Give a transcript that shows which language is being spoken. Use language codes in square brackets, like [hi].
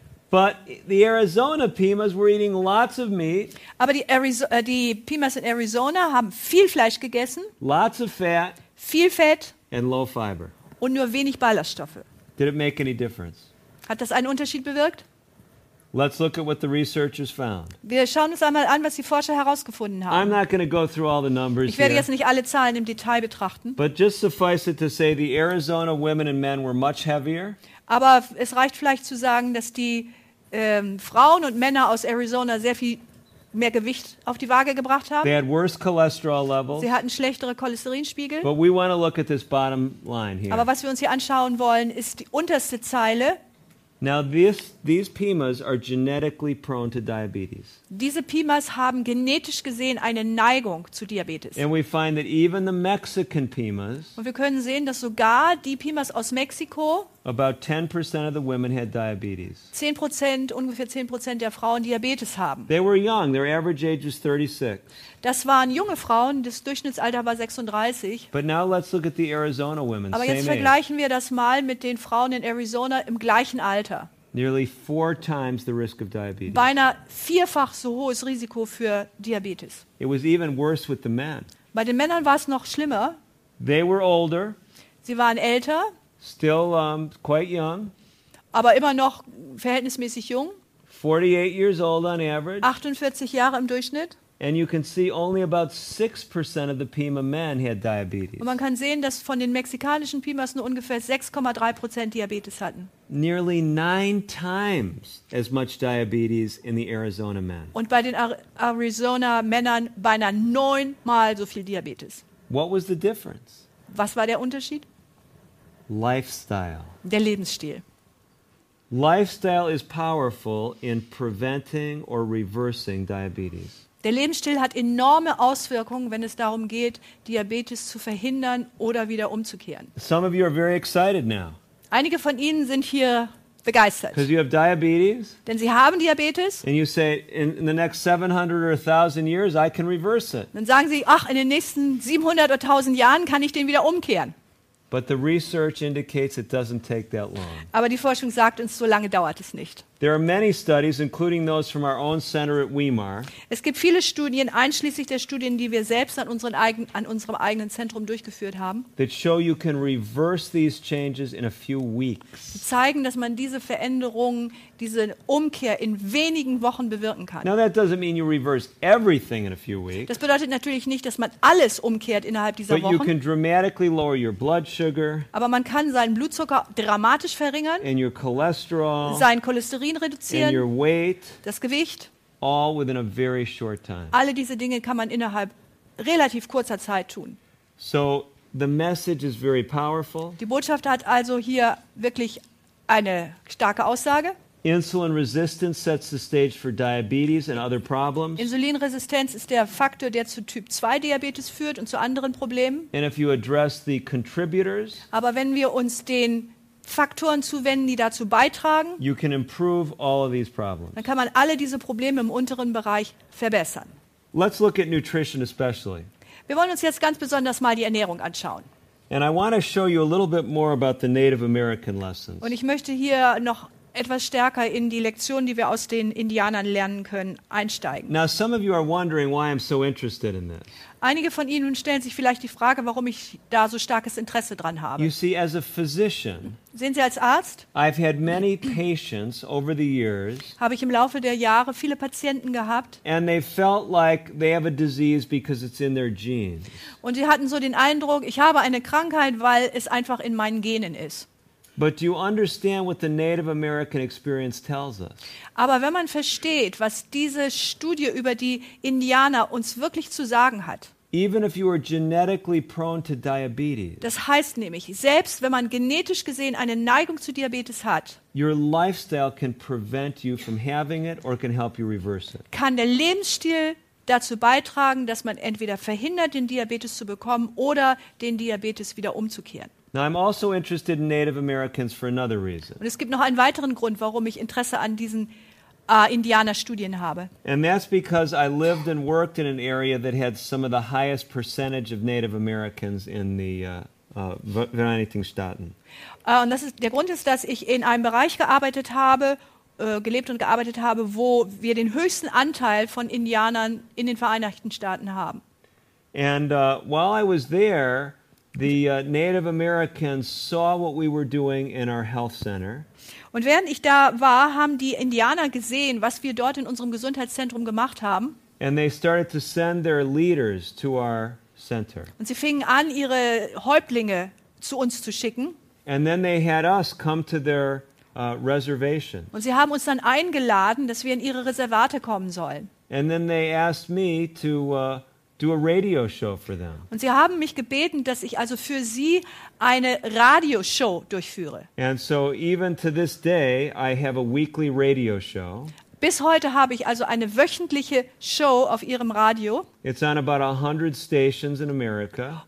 [en] But the Arizona Pimas were eating lots of meat. [de] Aber die Pimas in Arizona haben viel Fleisch gegessen. [en] Lots of fat. [de] Viel Fett. [en] And low fiber. [de] Und nur wenig Ballaststoffe. [en] Did it make any difference? [de] Hat das einen Unterschied bewirkt? [en] Let's look at what the researchers found. [de] Wir schauen uns einmal an, was die Forscher herausgefunden haben. [en] I'm not going to go through all the numbers. [de] Ich werde [en] here, [de] jetzt nicht alle Zahlen im Detail betrachten. [en] But just suffice it to say, the Arizona women and men were much heavier. [de] Aber es reicht vielleicht zu sagen, dass die Frauen und Männer aus Arizona sehr viel mehr Gewicht auf die Waage gebracht haben. [en] They had worse cholesterol levels. [de] Sie hatten schlechtere Cholesterinspiegel. [en] But we want to look at this bottom line here. [de] Aber was wir uns hier anschauen wollen, ist die unterste Zeile. [en] Now these Pimas are genetically prone to diabetes. [de] Diese Pimas haben genetisch gesehen eine Neigung zu Diabetes. [en] And we find that even the Mexican Pimas. [de] Und wir können sehen, dass sogar die Pimas aus Mexiko. [en] About 10% of the women had diabetes. [de] ungefähr 10% der Frauen Diabetes haben. [en] They were young. Their average age was 36. [de] Das waren junge Frauen. Das Durchschnittsalter war 36. [en] But now let's look at the Arizona women. [de] Aber jetzt vergleichen wir das mal mit den Frauen in Arizona im gleichen Alter. [en] Nearly 4 times the risk of diabetes. [de] Beinahe vierfach so hohes Risiko für Diabetes. [en] It was even worse with the men. [de] Bei den Männern war es noch schlimmer. [en] They were older. [de] Sie waren älter. [en] Still quite young. [de] Aber immer noch verhältnismäßig jung. [en] 48 years old on average. [de] 48 Jahre im Durchschnitt. [en] And you can see only about 6% of the Pima men had diabetes. [de] Und man kann sehen, dass von den mexikanischen Pimas nur ungefähr 6,3% Diabetes hatten. [en] Nearly 9 times as much diabetes in the Arizona men. [de] Und bei den Arizona Männern beinahe 9-mal so viel Diabetes. [en] What was the difference? [de] Was war der Unterschied? [en] Lifestyle. [de] Der Lebensstil. [en] Lifestyle is powerful in preventing or reversing diabetes. [de] Der Lebensstil hat enorme Auswirkungen, wenn es darum geht, Diabetes zu verhindern oder wieder umzukehren. [en] Some of you are very excited now. [de] Einige von Ihnen sind hier begeistert. [en] Because you have diabetes. [de] Denn Sie haben Diabetes. [en] And you say, in the next 700 or 1000 years, I can reverse it. [de] Dann sagen Sie, ach, in den nächsten 700 oder 1000 Jahren kann ich den wieder umkehren. [en] But the research indicates it doesn't take that long. [de] Aber die Forschung sagt uns, so lange dauert es nicht. [en] There are many studies, including those from our own center at Weimar. [de] Es gibt viele Studien, einschließlich der Studien, die wir selbst an unserem eigenen Zentrum durchgeführt haben. [en] That show you can reverse these changes in a few weeks. [de] Die zeigen, dass man diese Veränderungen, diese Umkehr in wenigen Wochen bewirken kann. [en] Now that doesn't mean you reverse everything in a few weeks. [de] Das bedeutet natürlich nicht, dass man alles umkehrt innerhalb dieser [en] But [de] Wochen. [en] But you can dramatically lower your blood sugar. [de] Aber man kann seinen Blutzucker dramatisch verringern. [en] And your cholesterol. [de] Sein Cholesterol. Reduzieren, [en] and your weight, [de] das Gewicht, [en] all within a very short time. [de] Alle diese Dinge kann man innerhalb relativ kurzer Zeit tun. [en] So the message is very powerful. [de] Die Botschaft hat also hier wirklich eine starke Aussage. [en] Insulin resistance sets the stage for diabetes and other problems. [de] Insulinresistenz ist der Faktor, der zu Typ 2 Diabetes führt und zu anderen Problemen. [en] And if you address the contributors, [de] aber wenn wir uns den Faktoren zuwenden, die dazu beitragen, [en] you can improve all of these problems. [de] Dann kann man alle diese Probleme im unteren Bereich verbessern. [en] Let's look at nutrition especially. [de] Wir wollen uns jetzt ganz besonders mal die Ernährung anschauen. [en] And I want to show you a little bit more about the Native American lessons. [de] Und ich möchte hier noch etwas stärker in die Lektionen, die wir aus den Indianern lernen können, einsteigen. [en] Now some of you are wondering why I'm so interested in this. [de] Einige von Ihnen stellen sich vielleicht die Frage, warum ich da so starkes Interesse dran habe. [en] You see, as a physician, [de] sehen Sie, als Arzt, [en] I've had many patients over the years, [de] habe ich im Laufe der Jahre viele Patienten gehabt, [en] and they felt like they have a disease because it's in their genes. [de] Und sie hatten so den Eindruck, ich habe eine Krankheit, weil es einfach in meinen Genen ist. [en] But do you understand what the Native American experience tells us? [de] Aber wenn man versteht, was diese Studie über die Indianer uns wirklich zu sagen hat. [en] Even if you are genetically prone to diabetes. [de] Das heißt nämlich, selbst wenn man genetisch gesehen eine Neigung zu Diabetes hat. [en] Your lifestyle can prevent you from having it or can help you reverse it. [de] Kann der Lebensstil dazu beitragen, dass man entweder verhindert, den Diabetes zu bekommen oder den Diabetes wieder umzukehren. [en] Now I'm also interested in Native Americans for another reason. [de] Und es gibt noch einen weiteren Grund, warum ich Interesse an diesen Indianerstudien habe. [en] And that's because I lived and worked in an area that had some of the highest percentage of Native Americans in the [de] Vereinigten Staaten. Und das ist der Grund ist, dass ich in einem Bereich gearbeitet habe, gelebt und gearbeitet habe, wo wir den höchsten Anteil von Indianern in den Vereinigten Staaten haben. [en] And while I was there, the Native Americans saw what we were doing in our health center. [de] Und während ich da war, haben die Indianer gesehen, was wir dort in unserem Gesundheitszentrum gemacht haben. [en] And they started to send their leaders to our center. [de] Und sie fingen an, ihre Häuptlinge zu uns zu schicken. [en] And then they had us come to their reservation. [de] Und sie haben uns dann eingeladen, dass wir in ihre Reservate kommen sollen. [en] And then they asked me to do a radio show for them. [de] Und sie haben mich gebeten, dass ich also für sie eine Radioshow durchführe. [en] And so even to this day I have a weekly radio show. [de] Bis heute habe ich also eine wöchentliche Show auf ihrem Radio. [en] It's on about 100 stations in America.